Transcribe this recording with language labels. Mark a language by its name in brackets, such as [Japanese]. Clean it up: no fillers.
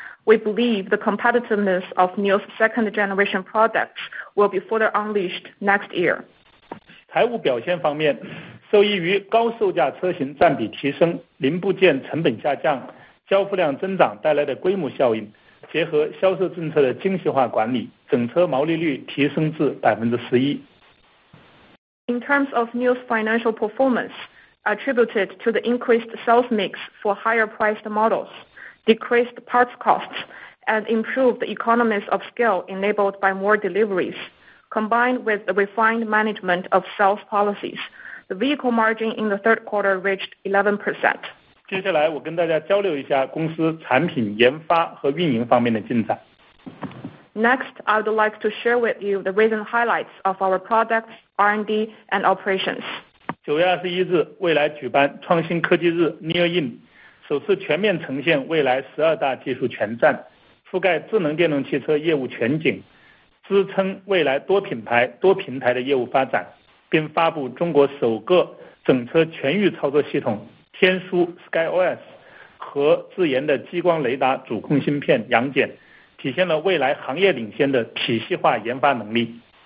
[English] We believe the competitiveness of NIO's second generation products will be further unleashed next year. [Chinese] 财务表现方面，受益于高售价车型占比提升、零部件成本下降、交付量增长带来的规模效应，结合销售政策的精细化管理，整车毛利率提升至11%。 [English] In terms of NIO's financial performance, attributed to the increased sales mix for higher priced models, decreased parts costs, and improved economies of scale enabled by more deliveries, combined with the refined management of sales policies, the vehicle margin in the third quarter reached 11%. [Chinese] 接下来我跟大家交流一下公司产品研发和运营方面的进展。 [English] Next, I would like to share with you the recent highlights of our products, R&D, and operations. [Chinese] 9月21日，蔚来举办创新科技日 Nio Inc, 首次全面呈现蔚来12大技术全站，覆盖智能电动汽车业务全景，支撑蔚来多品牌、多平台的业务发展，并发布中国首个整车全域操作系统天枢 SkyOS 和自研的激光雷达主控芯片杨戬，体现了蔚来行业领先的体系化研发能力。